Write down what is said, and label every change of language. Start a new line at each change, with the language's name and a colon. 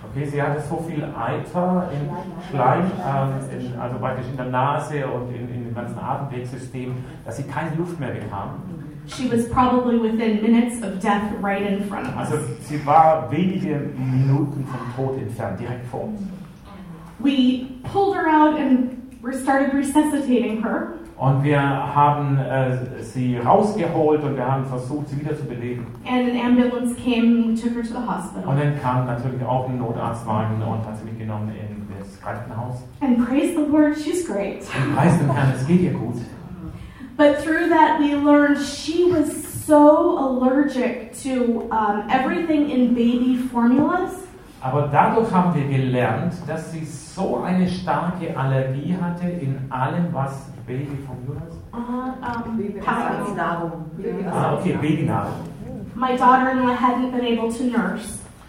German: Okay, sie hatte so viel Eiter im Schleim, also praktisch in der Nase und in dem ganzen Atemwegssystem, dass sie keine Luft mehr bekam.
English: She was probably within minutes of death right in front of us.
German: Also, sie war wenige Minuten vom Tod entfernt, direkt vor uns.
English: We pulled her out and started resuscitating her.
German: Und wir haben sie rausgeholt und wir haben versucht, sie wieder zu beleben.
English: And an ambulance came and took her to the hospital.
German: Und dann kam natürlich auch ein Notarztwagen und hat sie mitgenommen in das Krankenhaus.
English: And praise the Lord, she's great.
German: Und preis dem Herrn, es geht ihr gut.
English: But through that we learned she was so allergic to everything in baby formulas.
German: Aber dadurch haben wir gelernt, dass sie so eine starke Allergie hatte in allem, was Baby formulas. Babynahrung.
English: My daughter-in-law hadn't been able to nurse.